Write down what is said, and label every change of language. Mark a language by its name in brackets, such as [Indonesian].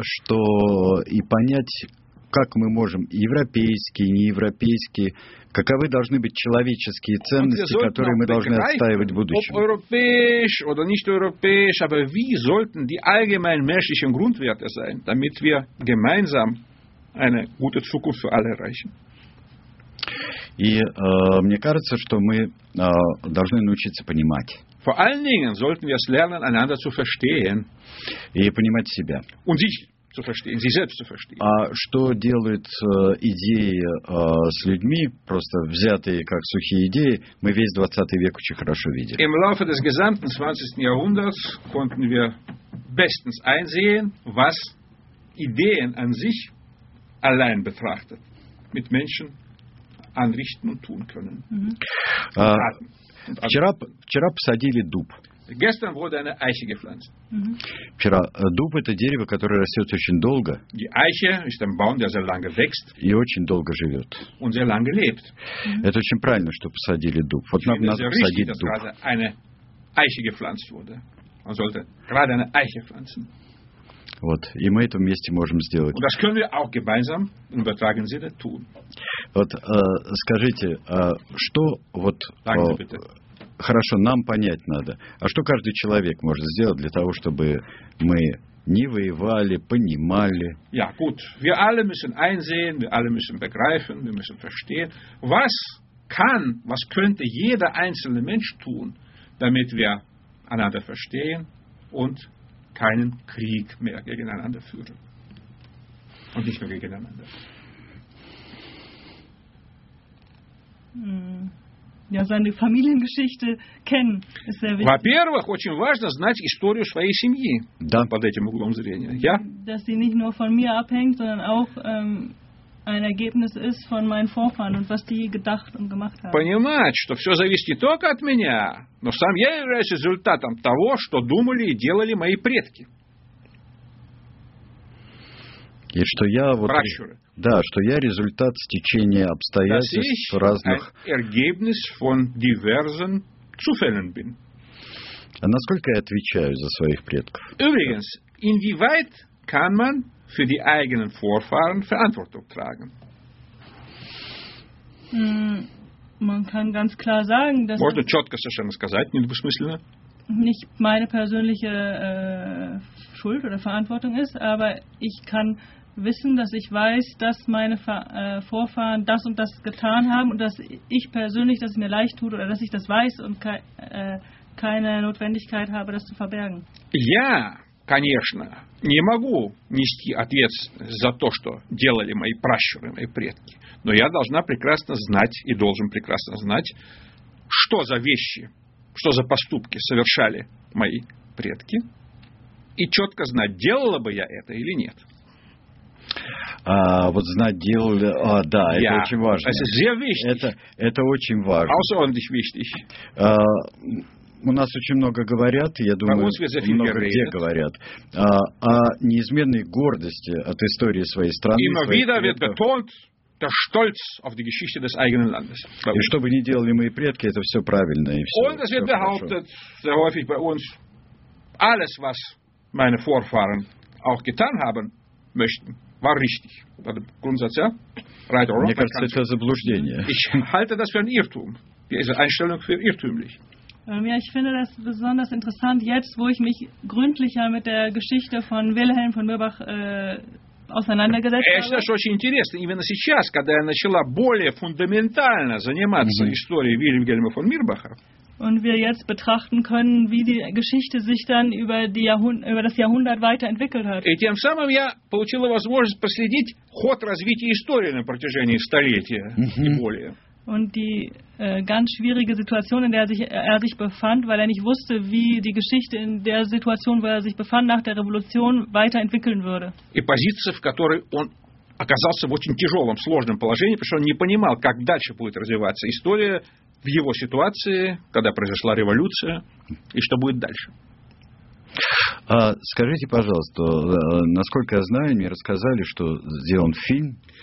[Russian] И понять, как мы можем европейские, неевропейские, каковы должны быть человеческие ценности, которые мы должны отстаивать в будущем. [German] Europäisch oder nicht europäisch, aber wie sollten die allgemeinen menschlichen Grundwerte sein, damit wir gemeinsam eine gute Zukunft für alle erreichen? [Russian] И мне кажется, что мы должны научиться понимать. [German] Vor allen Dingen sollten wir es lernen, einander zu verstehen. [Russian] И понимать себя. [German] Und sich zu verstehen, sich selbst zu verstehen. [Russian] А что делают идеи с людьми, просто взятые как сухие идеи, мы весь 20 век очень хорошо видели. [German] Im Laufe des gesamten 20. Jahrhunderts konnten wir bestens einsehen, was Ideen an sich allein betrachtet mit Menschen anrichten und tun können. [Russian] Mm-hmm. Вчера посадили дуб. [German] Gestern wurde eine Eiche gepflanzt. [Russian] Вчера дуб это дерево, которое растет очень долго. [German] Die Eiche ist ein Baum, der sehr lange wächst. [Russian] И очень долго живет. [German] Und sehr lange lebt. [Russian] Это очень правильно, что посадили дуб. Вот нам надо посадить дуб. [German] Gerade eine Eiche gepflanzt wurde. Man sollte gerade eine Eiche pflanzen. [Russian] Вот, и мы это вместе можем сделать. [German] Und das können wir auch gemeinsam im übertragenen Sinne tun. [Russian] Вот, скажите, что вот хорошо нам понять надо, а что каждый человек может сделать для того, чтобы мы не воевали, понимали? [German] Ja, gut. Wir alle müssen einsehen, wir alle müssen begreifen, wir müssen verstehen, was könnte jeder einzelne Mensch tun, damit wir einander verstehen und keinen Krieg mehr gegeneinander führen. Und nicht nur gegeneinander. Ja, seine Familiengeschichte kennen ist sehr wichtig. [Russian] Во-первых, очень важно знать историю своей семьи. Да. Под этим углом зрения. Ja? [German] Dass sie nicht nur von mir abhängt, sondern auch ein Ergebnis ist von meinen Vorfahren und was die gedacht und gemacht haben. [Russian] Понимать, что все зависит не только от меня, но сам я являюсь результатом того, что думали и делали мои предки. И что я вот... Пращуры. Да, что я результат стечения обстоятельств разных... [German] Das ist ein Ergebnis von diversen Zufällen bin. [Russian] А насколько я отвечаю за своих предков? [German] Übrigens, inwieweit kann man für die eigenen Vorfahren Verantwortung tragen? Man kann ganz klar sagen, dass... [Russian] Можно четко совершенно сказать, недвусмысленно. [German] Nicht meine persönliche Schuld oder Verantwortung ist, aber ich kann... wissen, dass ich weiß, dass meine Vorfahren das und das getan haben und dass ich persönlich, dass es mir leicht tut oder dass ich das weiß und keine Notwendigkeit habe, das zu verbergen. [Russian] Ja, конечно, не могу нести ответственность за то, что делали мои пращуры, мои предки, но я должна прекрасно знать и должен прекрасно знать, что за вещи, что за поступки совершали мои предки и четко знать, делала бы я это или нет. Вот знать делали... да, это yeah. очень важно. [German] Это sehr wichtig. [Russian] Это очень важно. [German] Außerordentlich wichtig. [Russian] У нас очень много говорят, я думаю, много где говорят, о неизменной гордости от истории своей страны. [German] Immer wieder wird betont der Stolz auf die Geschichte des eigenen Landes. [Russian] И что бы ни делали мои предки, это все правильно и все хорошо. [German] Und es wird behauptet sehr häufig bei uns, alles, was meine Vorfahren auch getan haben möchten, war richtig. Это Grundsatz, ja? [English] Right or wrong? [Russian] Мне кажется, это заблуждение. [German] Ich halte das für ein Irrtum. Diese Einstellung für irrtümlich. Ja, ich finde das besonders interessant jetzt, wo ich mich gründlicher mit der Geschichte von Wilhelm von Mirbach [Russian] Это очень интересно. Именно сейчас, когда я начала более фундаментально заниматься историей Вильгельма фон Мирбаха, [German] und wir jetzt betrachten können, wie die Geschichte sich dann über, die über das Jahrhundert weiterentwickelt hat. [Russian] И тем самым я получила возможность проследить ход развития истории на протяжении столетия и более. [German] Und die ganz schwierige Situation, in der er sich befand, weil er nicht wusste, wie die Geschichte in der Situation, wo er sich befand, nach der Revolution weiterentwickeln würde. [Russian] И позиция, в которой он оказался в очень тяжелом, сложном положении, потому что он не понимал, как дальше будет развиваться история в его ситуации, когда произошла революция, и что будет дальше. Скажите, пожалуйста, насколько я знаю, мне рассказали, что сделан фильм.